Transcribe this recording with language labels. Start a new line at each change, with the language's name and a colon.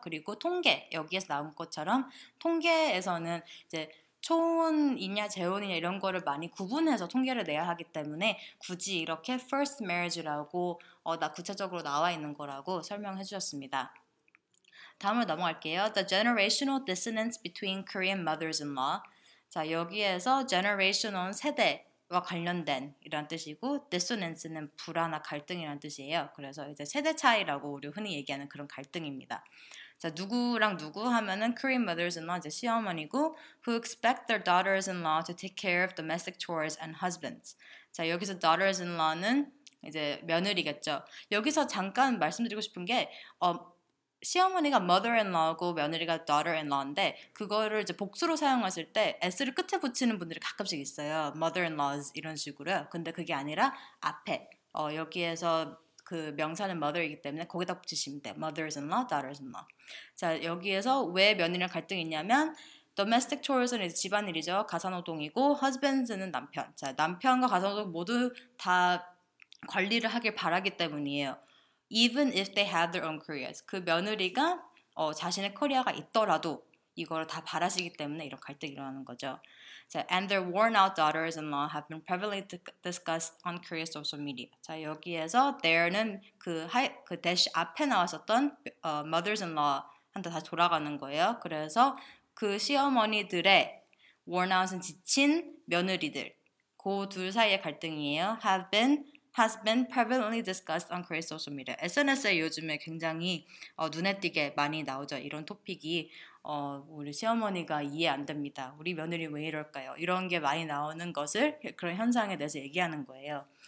Korean: 그리고 통계 여기에서 나온 것처럼 통계에서는 이제 초혼이냐 재혼이냐 이런 거를 많이 구분해서 통계를 내야 하기 때문에 굳이 이렇게 first marriage라고 나 구체적으로 나와 있는 거라고 설명해 주셨습니다. 다음으로 넘어갈게요.
English: The generational dissonance between Korean mothers-in-law.
Korean: 자, 여기에서 generational 세대와 관련된 이런 뜻이고 dissonance는 불안과 갈등이라는 뜻이에요. 그래서 이제 세대 차이라고 우리 흔히 얘기하는 그런 갈등입니다. 자, 누구랑 누구 하면은
English: Korean mothers-in-law
Korean: 이제 시어머니고
English: who expect their daughters-in-law to take care of domestic chores and husbands.
Korean: 자, 여기서 daughters-in-law는 이제 며느리겠죠. 여기서 잠깐 말씀드리고 싶은 게 시어머니가 mother-in-law고 며느리가 daughter-in-law인데 그거를 이제 복수로 사용하실 때 s를 끝에 붙이는 분들이 가끔씩 있어요. mother-in-laws 이런 식으로요. 근데 그게 아니라 앞에 여기에서 그 명사는 mother이기 때문에 거기다 붙이시면 돼요. mothers-in-law, daughters-in-law. 자, 여기에서 왜 며느리랑 갈등이 있냐면 domestic chores는 이제 집안일이죠. 가사노동이고 husbands는 남편. 자, 남편과 가사노동 모두 다 관리를 하길 바라기 때문이에요.
English: Even if they have their own careers.
Korean: 그 며느리가 자신의 커리어가 있더라도 이거를 다 바라시기 때문에 이런 갈등이 일어나는 거죠.
English: So, and their worn-out daughters-in-law have been prevalently discussed on Korean social media.
Korean: 자, 여기에서 there는 그 dash 앞에 나왔었던 mothers-in-law한테 다시 돌아가는 거예요. 그래서 그 시어머니들의 worn-out은 지친 며느리들, 그 둘 사이의 갈등이에요.
English: Has been prevalently discussed on Korean social media.
Korean: SNS에 요즘에 굉장히 눈에 띄게 많이 나오죠. 이런 토픽이 우리 시어머니가 이해 안 됩니다. 우리 며느리 왜 이럴까요? 이런 게 많이 나오는 것을 그런 현상에 대해서 얘기하는 거예요.